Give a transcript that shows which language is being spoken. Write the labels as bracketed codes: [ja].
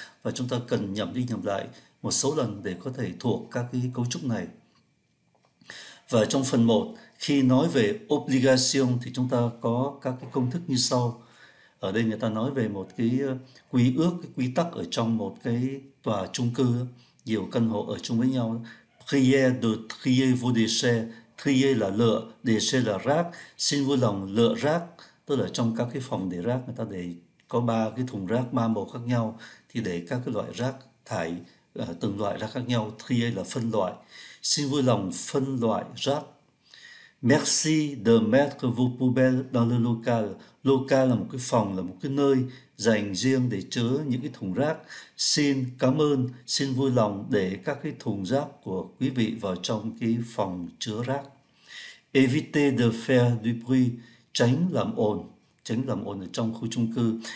[vi] Và chúng ta cần nhẩm đi nhẩm lại một số lần để có thể thuộc các cái cấu trúc này. Và trong phần 1, khi nói về obligation thì chúng ta có các cái công thức như sau. Ở đây người ta nói về một cái quy ước, cái quy tắc ở trong một cái tòa chung cư, nhiều căn hộ ở chung với nhau. [fr] Priez de trier vos déchets. Trier [vi] là lựa, [fr] déchets [vi] là rác. Xin vui lòng lựa rác. Tức là trong các cái phòng để rác, người ta để có ba cái thùng rác, ba màu khác nhau. Thì để các cái loại rác thải, từng loại rác khác nhau. Trier là phân loại. Xin vui lòng phân loại rác. [fr] Merci de mettre vos poubelles dans le local. [vi] Local là một cái phòng, là một cái nơi dành riêng để chứa những cái thùng rác. Xin cảm ơn, xin vui lòng để các cái thùng rác của quý vị vào trong cái phòng chứa rác. [fr] Éviter de faire du bruit, [vi] tránh làm ồn, tránh làm ồn ở trong khu chung cư.